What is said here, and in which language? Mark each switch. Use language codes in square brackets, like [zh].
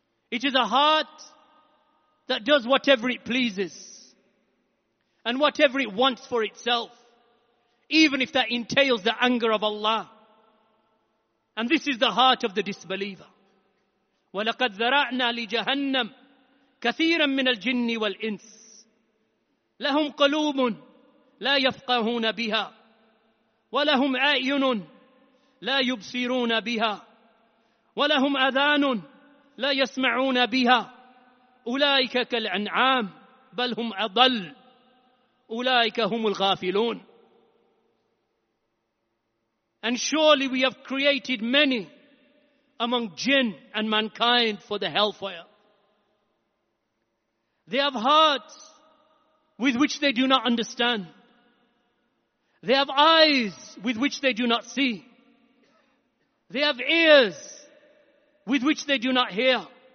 [en] It is a heart that does whatever it pleases and whatever it wants for itself, even if that entails the anger of Allah. And this is the heart of the disbeliever. [ar] وَلَقَدْ ذَرَعْنَا لِجَهَنَّمْ كَثِيرًا مِنَ الْجِنِّ وَالْإِنسِ لَهُمْ قَلُوبٌ لا يفقهون بها ولهم أعين لا يبصرون بها ولهم أذان لا يسمعون بها أولئك كالأنعام بل هم أضل أولئك هم الغافلون. [en] And surely we have created many among jinn and mankind for the hellfire. They have hearts with which they do not understand. They have eyes with which they do not see. They have ears with which they do not hear.